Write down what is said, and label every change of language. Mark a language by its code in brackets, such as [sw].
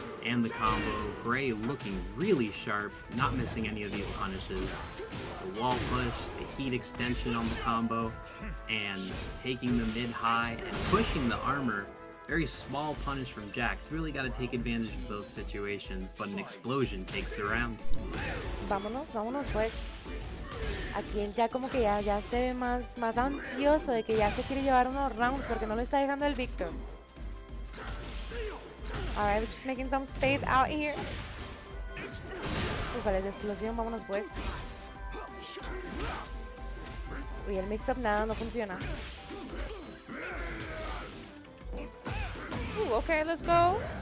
[en] And the combo, Gray looking really sharp, not missing any of these punishes. The wall push, the heat extension on the combo, and taking the mid-high and pushing the armor. Very small punish from Jack, really got to take advantage of those situations, but an explosion takes the round. [es] Vámonos, vámonos pues. Aquí ya como que ya se ve más ansioso de que ya se quiere llevar unos rounds porque no lo está dejando el Victor. [en] Alright, we're just making some space out here. [es] Uy, vale, explosión, vámonos pues. Uy, el mix-up nada, no funciona. [en] Ooh, okay, let's go.